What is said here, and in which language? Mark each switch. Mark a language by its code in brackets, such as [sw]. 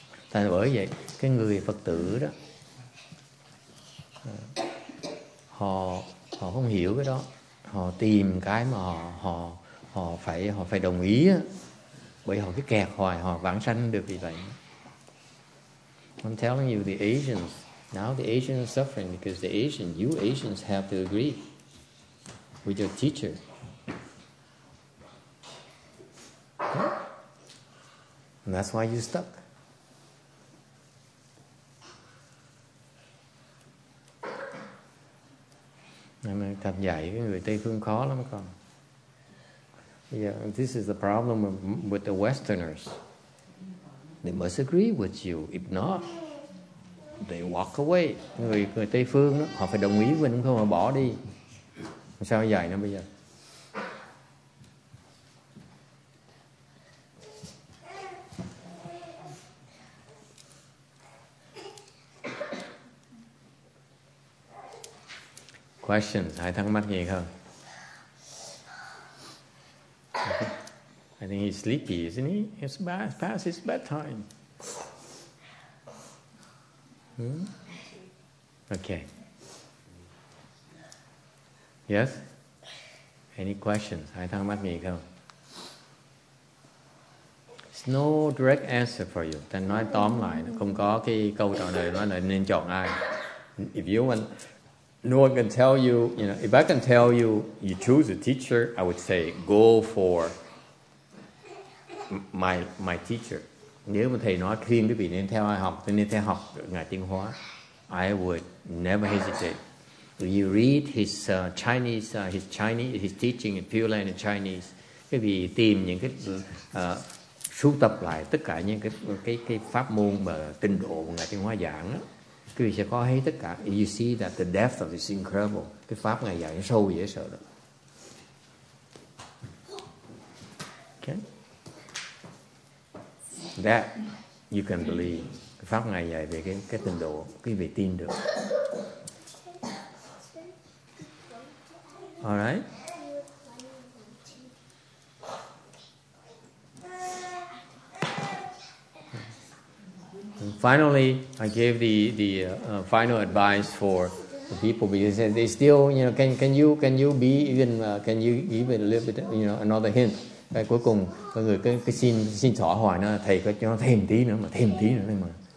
[vi] Tại bởi vậy cái người Phật tử đó họ không hiểu cái đó, họ tìm cái mà họ phải đồng ý á, bởi họ cứ kẹt hoài họ vãng sanh được vì vậy. [en] I'm telling you, the Asians, now the Asians are suffering because the Asians, you Asians have to agree with your teacher. And that's why you're stuck. [vi] Thầy dạy cái người Tây phương khó lắm con. [en] Yeah, this is the problem with the Westerners. They must agree with you. If not, they walk away. [vi] Người Tây phương đó, họ phải đồng ý với mình không họ bỏ đi. Sao dạy nó bây giờ? Questions? Hai thắc mắc gì không? [en] I think he's sleepy, isn't he? It's past his bedtime. Okay. Yes? Any questions? [vi] Hai thắc mắc gì không? [en] There's no direct answer for you. [vi] Ta nói tóm lại, không có cái câu trả lời nói là nên chọn ai. [en] If you want... No one can tell you, you know, if I can tell you, you choose a teacher, I would say, go for my teacher. [vi] Nếu mà thầy nói, khi quý vị nên theo ai học, nên theo học Ngài Tiên Hóa, [en] I would never hesitate. You read his Chinese, his Chinese, his teaching in Pure Land in Chinese, [vi] quý vị tìm những cái, sưu tập lại tất cả những cái pháp môn mà tinh độ của Ngài Tiên Hóa giảng đó. Quý vị sẽ có thấy tất cả. [en] You see that the depth of this incredible. [vi] Cái pháp Ngài dạy nó sâu dễ sợ đó. Okay. [en] That you can believe. [vi] Cái pháp Ngài dạy về cái tình độ. Quý vị tin được. [en] All right. And finally, I gave the final advice for the people because they still, you know, can you give a little bit, you know, another hint? [vi] Cái cuối cùng, mọi người cứ xin thỏa hoài nó, thầy có cho thêm tí nữa mà.